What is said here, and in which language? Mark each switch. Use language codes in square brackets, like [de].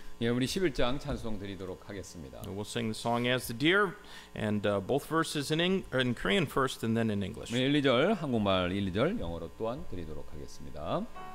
[ko] 예, 우리 11장 찬송 드리도록 하겠습니다. [en] We'll sing the song as the deer and both verses in Korean first and then in English. [ko] 예, 1-2절 한국말 1-2절 영어로 또한 드리도록 하겠습니다.